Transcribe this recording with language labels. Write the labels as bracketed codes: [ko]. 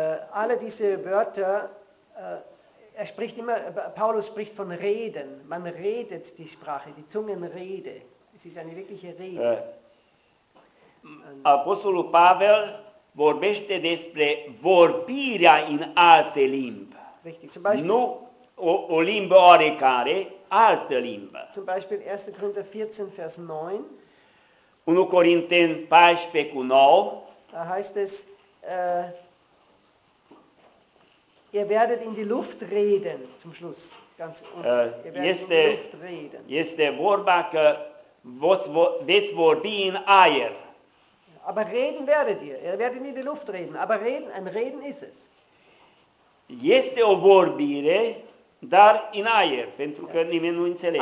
[de] Alle diese Wörter, er spricht immer, Paulus spricht von Reden, man redet die Sprache, die Zungenrede. Es ist eine wirkliche Rede. [ro] Apostolul Pavel vorbește despre vorbirea în alte limbi. [de] Richtig, zum Beispiel. [ro] Nu o limbă oarecare, altă limbă. [de] Zum Beispiel 1 Korinther 14 Vers 9. [ro] 1 Corinteni 14 cu 9. [de] Da heißt es ihr werdet in die Luft reden zum Schluss. Ganz unten. [ro] Este, [de] in die Luft reden. [ro] Este vorba că veți vorbi în aer. [de] Aber reden werdet ihr. Ihr werdet in die Luft reden. Aber reden, ein Reden ist es. [ro] Este o vorbire, dar în aer, pentru că nimeni nu înțelege.